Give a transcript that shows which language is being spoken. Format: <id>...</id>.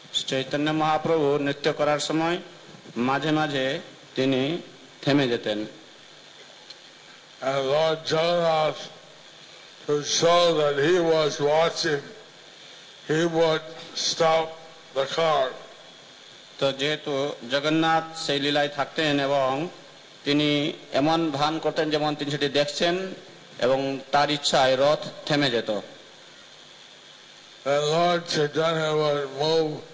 <bn>চৈতন্য মহাপ্রভু নৃত্য করার সময় মাঝে মাঝে তিনি থেমে যেতেন।</bn> <en>And Lord Jagannath, who saw that he was watching, he would stop the car.</en> <bn>তো যেহেতু জগন্নাথ সেই লীলায় থাকতেন এবং তিনি এমন ভান করতেন যেমন তিনি সেটি দেখছেন এবং তার ইচ্ছায় রথ থেমে যেত।</bn> <en>And Lord Chaitanya would move</en>